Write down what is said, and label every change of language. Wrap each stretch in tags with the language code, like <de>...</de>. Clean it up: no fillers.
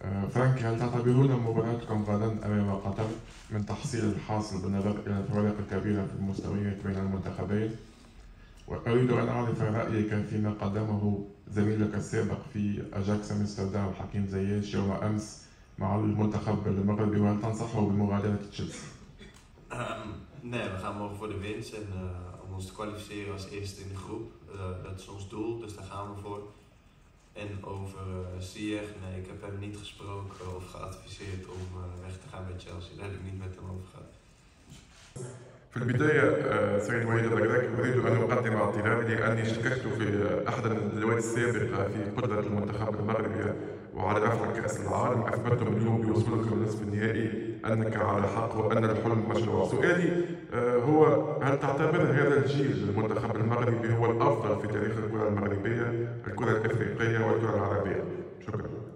<ar>فرانكي، هل تعتبرون مباراتكم غداً أمام قطر من تحصيل الحاصل بالنظر إلى الفوارق الكبيرة في المستويات بين المنتخبين؟ وأريد أن أعرف رأيك فيما قدمه زميلك السابق في أجاكس أمستردام حكيم زياش يوم أمس مع المنتخب المغربي، وهل تنصحه بمغادرة تشيلسي؟</ar> <nl>Nee, we gaan morgen voor de winst en om ons te kwalificeren als eerste in de groep. Dat is ons doel, dus daar gaan we voor. En over Ziyech, nee, ik heb hem niet gesproken of geadviseerd om weg te gaan bij Chelsea. Daar heb ik niet met hem over gehad.</nl> <ar>في البداية سعيد وليد الركراك، أريد أن أقدم اعتذاري لأني شككت في أحد الندوات السابقة في قدرة المنتخب المغربي وعلى رفع كأس العالم. أثبتتم اليوم بوصولكم للنصف النهائي أنك على حق وأن الحلم مشروع. سؤالي هو، هل تعتبر هذا الجيل المنتخب المغربي هو الأفضل في تاريخ الكرة المغربية، الكرة الأفريقية والكرة العربية؟ شكرا.</ar>